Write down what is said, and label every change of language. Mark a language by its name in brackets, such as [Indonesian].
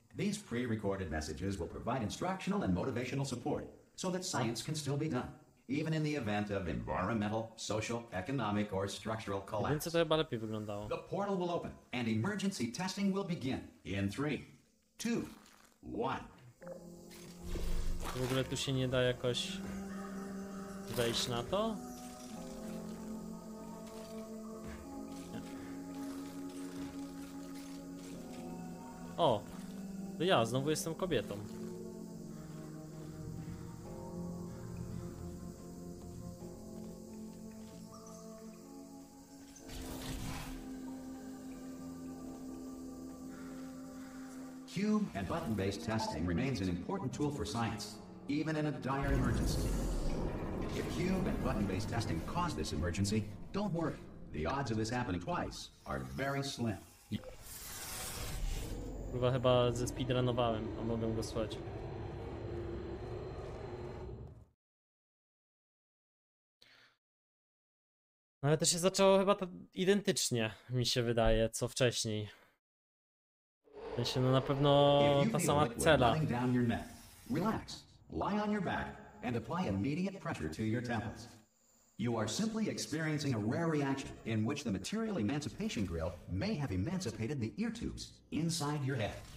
[English] These pre-recorded messages will provide instructional and motivational support so that science can still be done, even in the event of environmental, social, economic, or structural collapse. The portal will open, and emergency testing will begin in 3, 2, 1. [Polish] W ogóle tu się nie da jakoś wejść na to? Nie. O! To ja znowu jestem kobietą. [English] Cube and button-based testing remains an important tool for science, even in a dire emergency. If cube and button-based testing caused this emergency, don't worry. The odds of this happening twice are very slim. [Polish] Chyba zespeedrunowałem, a mogę go słuchać. Ale to się zaczęło chyba identycznie, mi się wydaje, co wcześniej. To się na pewno ta sama cela. [English] Relax, lie on your back, and apply immediate pressure to your temples. You are simply experiencing a rare reaction in which the material emancipation grill may have emancipated the ear tubes inside your head.